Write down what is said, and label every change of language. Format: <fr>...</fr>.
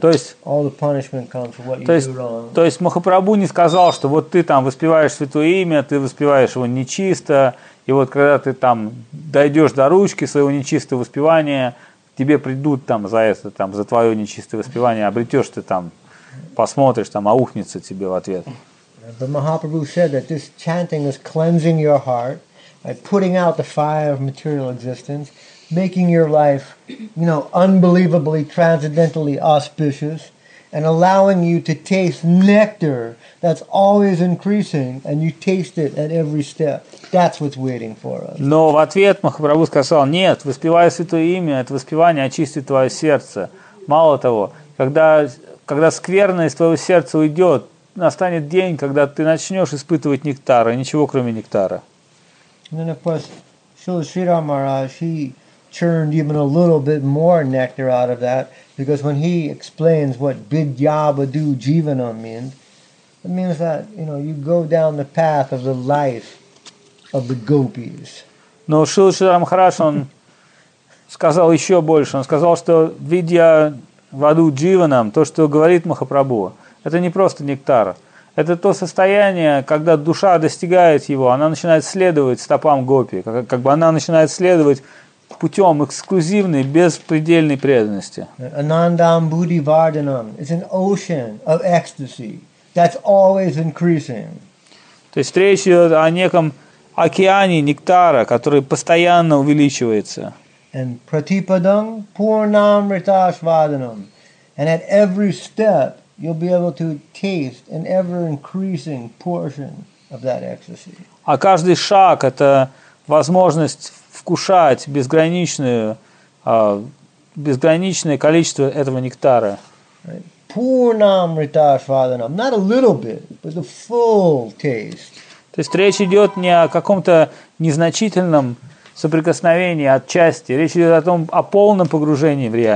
<ru>то есть,</ru> <en>all the punishment comes for what you do wrong?</en> <ru>То есть Махапрабху не сказал, что вот ты там воспеваешь святое имя, ты воспеваешь его нечисто, и вот когда ты там дойдешь до ручки своего нечистого воспевания, тебе придут там за это, там, за твое нечистое воспевание, обретешь ты там, посмотришь там, аухнется тебе в ответ.</ru> <en>But Mahaprabhu said that this chanting is cleansing your heart, like putting out the fire of material existence, making your life, you know, unbelievably transcendentally auspicious, and allowing you to taste nectar that's always increasing, and you taste it at every step. That's what's waiting for us.</en> <ru>Но в ответ Махапрабху сказал, нет, воспевая святое имя, это воспевание очистит твое сердце. Мало того, когда скверное из твоего сердца уйдет, настанет день, когда ты начнешь испытывать нектар, и ничего кроме нектара.</ru> <en>And then, of course, Srila Sridhar Maharaj, he churned even a little bit more nectar out of that, because when he explains what</en> <sa>vidyavadu jivana</sa> <en>means, it means that, you know, you go down the path of the life of the gopis.</en> <ru>Но Шрила Шридхара Махарадж, он сказал еще больше. Он сказал, что</ru> <sa>видья ваду дживанам,</sa> <ru>то, что говорит Махапрабху, это не просто нектар. Это то состояние, когда душа достигает его, она начинает следовать стопам гопи, как бы она начинает следовать путем эксклюзивной, беспредельной преданности.</ru> <sa>Анандам будди варданам.</sa> <en>It's an ocean of ecstasy that's always increasing.</en> <ru>То есть речь идет о неком океане нектара, который постоянно увеличивается.</ru> <sa>And pratipadam purnam ritasvadanam.</sa> <en>And at every step, you'll be able to taste an ever-increasing portion of that ecstasy.</en> <ru>А каждый шаг – это возможность вкушать безграничное количество этого нектара.</ru> <sa>Purnam ritasvadanam.</sa> <en>Not a little bit, but the full taste.</en> <ru>То есть речь идет не о каком-то незначительном соприкосновении отчасти, речь идет о том, о полном погружении в</ru>